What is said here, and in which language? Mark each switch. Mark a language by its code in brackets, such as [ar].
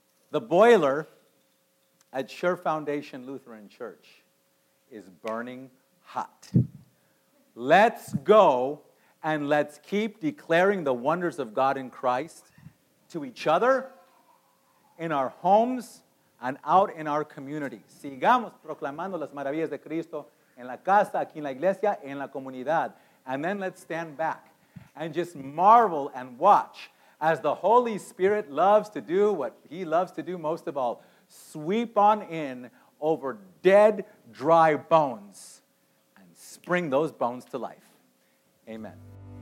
[en] The boiler at Sure Foundation Lutheran Church is burning hot. Let's go and let's keep declaring the wonders of God in Christ to each other, in our homes, and out in our community. [es] Sigamos proclamando las maravillas de Cristo en la casa, aquí en la iglesia, en la comunidad. [en] And then let's stand back and just marvel and watch as the Holy Spirit loves to do what he loves to do most of all, sweep on in over dead, dry bones and spring those bones to life. Amen.